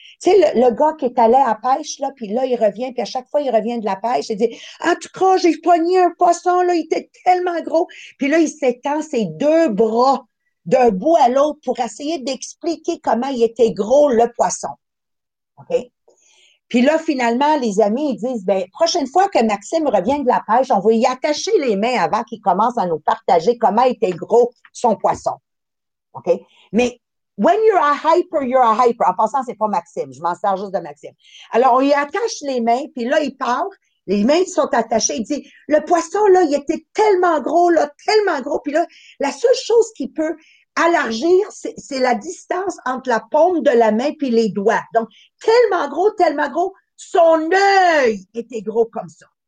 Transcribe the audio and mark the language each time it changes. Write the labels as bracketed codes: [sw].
[fr] Tu sais, le gars qui est allé à la pêche, là, puis là, il revient, puis à chaque fois, il revient de la pêche, il dit, en tout cas, j'ai poigné un poisson, là, il était tellement gros, puis là, il s'étend ses deux bras d'un bout à l'autre pour essayer d'expliquer comment il était gros, le poisson, OK? Puis là, finalement, les amis, ils disent, ben, prochaine fois que Maxime revient de la pêche, on va y attacher les mains avant qu'il commence à nous partager comment était gros son poisson. OK? [en] Mais, when you're a hyper, you're a hyper. [fr] En passant, c'est pas Maxime. Je m'en sers juste de Maxime. Alors, on y attache les mains, puis là, il part. Les mains sont attachées. Il dit, le poisson, là, il était tellement gros, là, tellement gros. Puis là, la seule chose qui peut allargir, c'est la distance entre la paume de la main puis les doigts. Donc, tellement gros, son œil était gros comme ça.